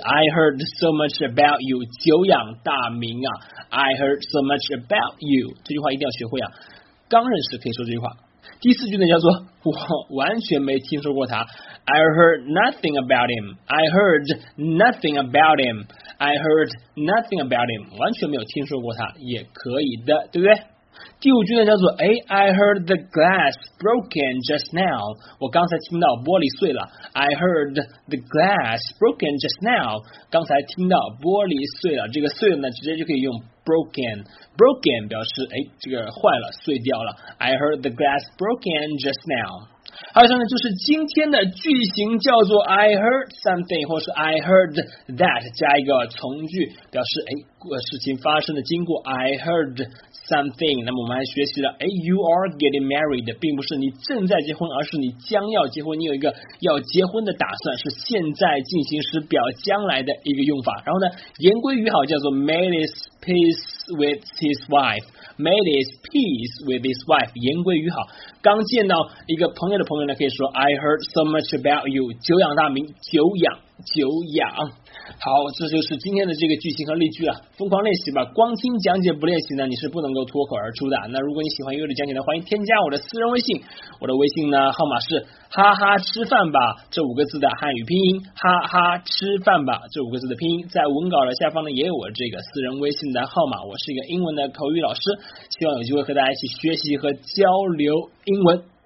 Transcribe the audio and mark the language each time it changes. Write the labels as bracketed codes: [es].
[en] I heard so much about you，久仰大名啊。 [zh] I heard so much about you，这句话一定要学会啊，刚认识可以说这句话。第四句呢叫做我完全没听说过他。 [en] I heard nothing about him， I heard nothing about him， I heard nothing about him，完全没有听说过他也可以的，对不对？ [zh] 第五句呢叫做哎 I heard the glass broken just now，我刚才听到玻璃碎了。 [en] I heard the glass broken just now，刚才听到玻璃碎了。 [zh] 这个碎了呢直接就可以用 broken， broken 表示哎这个坏了碎掉了。 [en] I heard the glass broken just now。 [zh] 还有呢就是今天的句型叫做 I heard something 或是 I heard that，加一个从句表示哎事情发生的经过。 I heard something，那么我们还学习了哎 you are getting married 并不是你正在结婚，而是你将要结婚，你有一个要结婚的打算，是现在进行时表将来的一个用法。然后呢言归于好叫做 made his peace with his wife， made his peace with his wife， 言归于好。刚见到一个朋友的朋友呢可以说 I heard so much about you，久仰大名，久仰久仰。好，这就是今天的这个句型和例句啊，疯狂练习吧，光听讲解不练习呢你是不能够脱口而出的。那如果你喜欢优的讲解呢，欢迎添加我的私人微信，我的微信呢号码是哈哈吃饭吧这五个字的汉语拼音，哈哈吃饭吧这五个字的拼音，在文稿的下方呢也有我这个私人微信的号码，我是一个英文的口语老师，希望有机会和大家一起学习和交流英文。